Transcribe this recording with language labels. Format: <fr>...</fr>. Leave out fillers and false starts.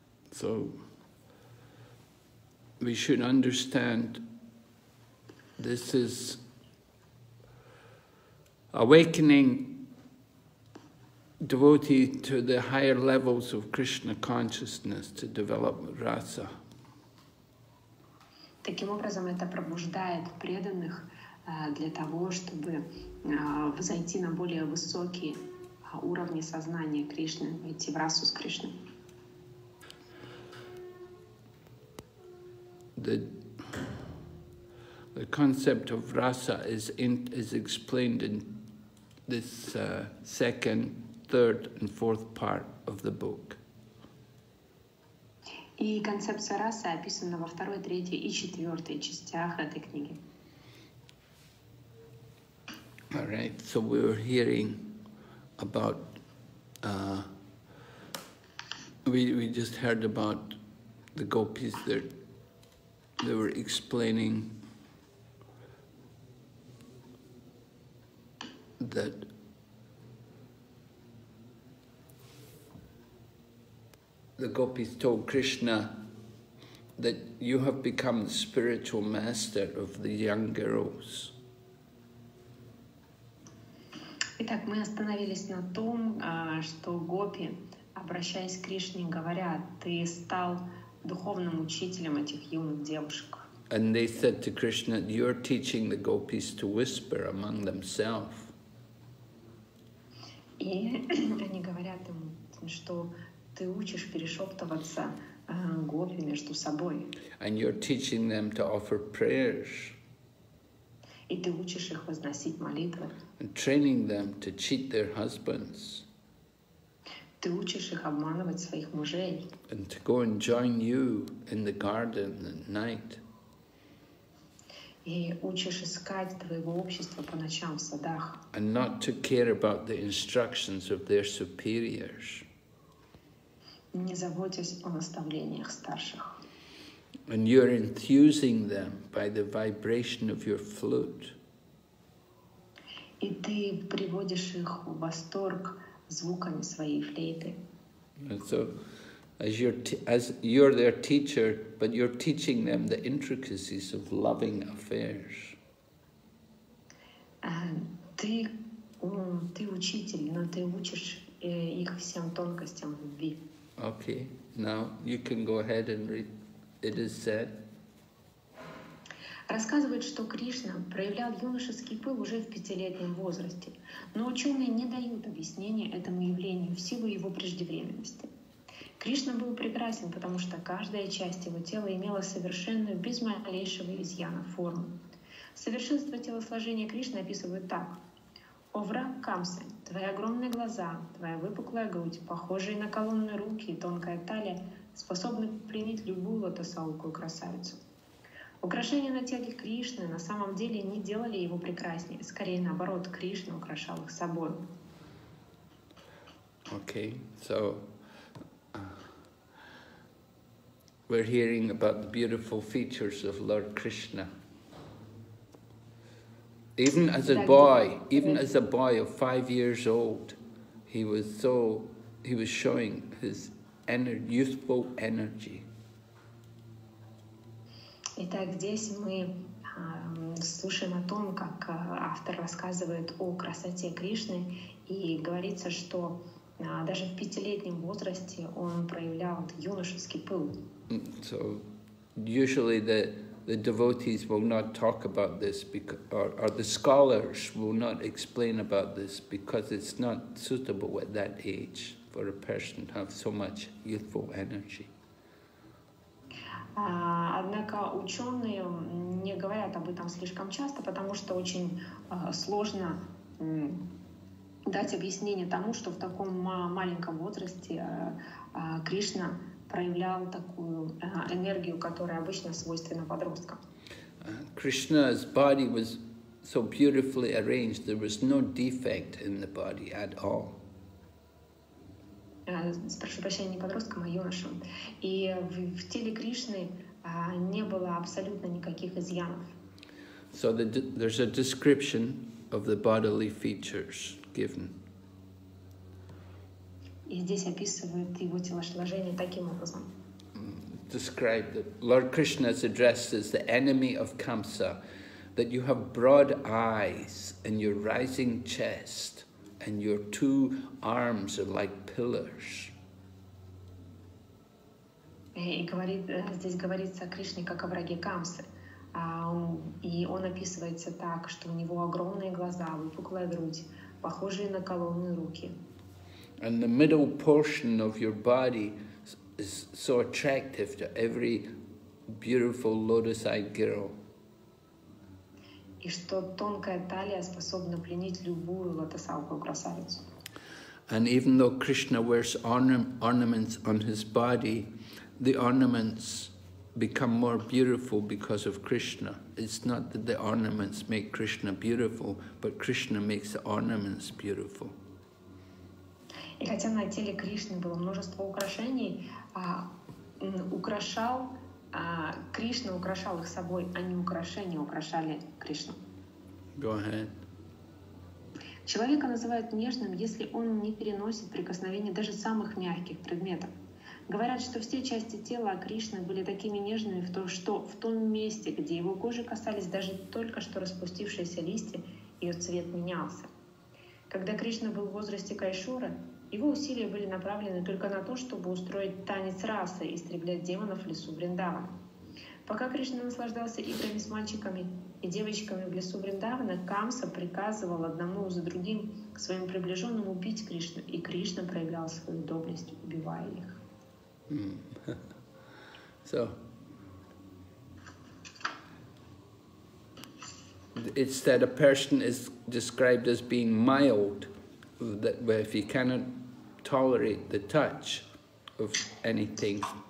<en>So we should understand this is awakening devotee to the higher levels of Krishna consciousness to develop rasa.</en> <ru>Таким образом, это пробуждает преданных для того, чтобы взойти на более высокие уровни сознания Кришны, войти в расу с Кришной.</ru> <en>The concept of rasa is explained in this second, third, and fourth part of the book.</en> <ru>И концепция расы описана во второй, третьей и четвертой частях этой книги.</ru> <en>All right, so we were hearing about we just heard about the gopis that they were explaining that the gopis told Krishna that you have become the spiritual master of the young girls.</en> <ru>Итак, мы остановились на том, что гопи, обращаясь к Кришне, говорят, ты стал духовным учителем этих юных девушек.</ru> <en>And they said to Krishna, you're teaching the gopis to whisper among themselves.</en> <ru>И они говорят ему, что ты учишь перешептываться гопи между собой.</ru> <en>And you're teaching them to offer prayers.</en> <ru>И ты учишь их возносить молитвы.</ru> <en>And training them to cheat their husbands.</en> <ru>Ты учишь их обманывать своих мужей.</ru> <en>And to go and join you in the garden at night.</en> <ru>И учишь искать твоего общества по ночам в садах.</ru> <en>And not to care about the instructions of their superiors.</en> <ru>Не заботясь о наставлениях старших.</ru> <en>And you're enthusing them by the vibration of your flute.</en> <ru>И ты приводишь их в восторг звуками своей флейты.</ru> <en>And so, as you're their teacher, but you're teaching them the intricacies of loving affairs.</en> <ru>Ты учитель, но ты учишь их всем тонкостям любви.</ru> <en>Okay, now you can go ahead and read it is said.</en> <ru>Рассказывает, что Кришна проявлял юношеский пыл уже в пятилетнем возрасте, но ученые не дают объяснения этому явлению в силу его преждевременности. Кришна был прекрасен, потому что каждая часть его тела имела совершенную, без малейшего изъяна, форму. Совершенство телосложения Кришны описывают так. «О враг Камсы, твои огромные глаза, твоя выпуклая грудь, похожие на колонны руки и тонкая талия, способны принять любую лотосаукую красавицу». Украшения на теле Кришны на самом деле не делали его прекраснее. Скорее, наоборот, Кришна украшал их собой.</ru> <en>Okay, so we're hearing about the beautiful features of Lord Krishna. Even as a boy, of 5 years old, he was showing his youthful energy.</en> <ru>Итак, здесь мы слушаем о том, как автор рассказывает о красоте Кришны, и говорится, что даже в пятилетнем возрасте он проявлял юношеский пыл.</ru> <en>So usually the devotees will not talk about this, or the scholars will not explain about this, because it's not suitable at that age for a person to have so much youthful energy.</en> <ru>Однако ученые не говорят об этом слишком часто, потому что очень сложно дать объяснение тому, что в таком маленьком возрасте Кришна проявлял такую энергию, которая обычно свойственна подросткам.</ru> <en>Krishna's body was so beautifully arranged, there was no defect in the body at all.</en> <ru>Прошу прощения, не подросткам, а юношам. И в теле Кришны не было абсолютно никаких изъянов.</ru> <en>So there's a description of the bodily features given.</en> <ru>И здесь описывают его телосложение таким образом.</ru> <en>Described that Lord Krishna's address is the enemy of Kamsa, that you have broad eyes and your rising chest. And your two arms are like pillars.</en> <ru>Здесь говорится о Кришне как о враге Камсы. И он описывается так, что у него огромные глаза, выпуклая грудь, похожие на колонны руки.</ru> <en>And the middle portion of your body is so attractive to every beautiful lotus-eyed girl.</en> <ru>И что тонкая талия способна пленить любую лотосаукую красавицу.</ru> <en>And even though Krishna wears ornaments on his body, the ornaments become more beautiful because of Krishna. It's not that the ornaments make Krishna beautiful, but Krishna makes the ornaments beautiful.</en> <ru>И хотя на теле Кришны было множество украшений, Кришна украшал их собой, а не украшения украшали Кришну.</ru> <en>Go ahead.</en> <ru>Человека называют нежным, если он не переносит прикосновения даже самых мягких предметов. Говорят, что все части тела Кришны были такими нежными, что в том месте, где его кожи касались даже только что распустившиеся листья, ее цвет менялся. Когда Кришна был в возрасте Кайшура, его усилия были направлены только на то, чтобы устроить танец расы и истреблять демонов в лесу Вриндавана. Пока Кришна наслаждался играми с мальчиками и девочками в лесу Вриндавана, Камса приказывал одному за другим к своим приближенным убить Кришну, и Кришна проявлял свою доблесть, убивая их.</ru> <en>So, it's that a person is described as being mild, that if he cannot tolerate the touch of anything.</en>